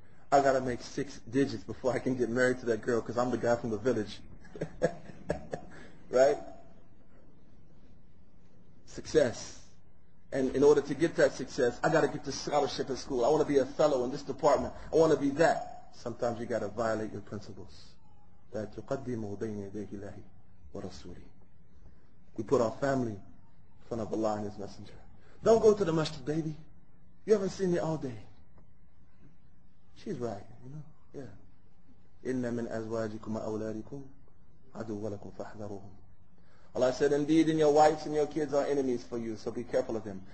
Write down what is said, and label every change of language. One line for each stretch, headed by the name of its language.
English: I gotta make 6 digits before I can get married to that girl because I'm the guy from the village. Right? Success. And in order to get that success, I gotta get the scholarship at school. I wanna be a fellow in this department. I wanna be that. Sometimes you gotta violate your principles.
Arabic: That تُقَدِّمُوا بَيْنِ يَدَيْهِ اللَّهِ وَرَسُولِهِ.
English: We put our family in front of Allah and His Messenger. Don't go to the masjid, baby. You haven't seen me all day. She's right, you know. Yeah.
Arabic: إِنَّ مِنْ أَزْوَاجِكُمْ أَوْلَادِكُمْ عَدُوَّ لَكُمْ فَاحْذَرُوهُمْ.
English: Allah said, indeed, and your wives and your kids are enemies for you, so be careful of them.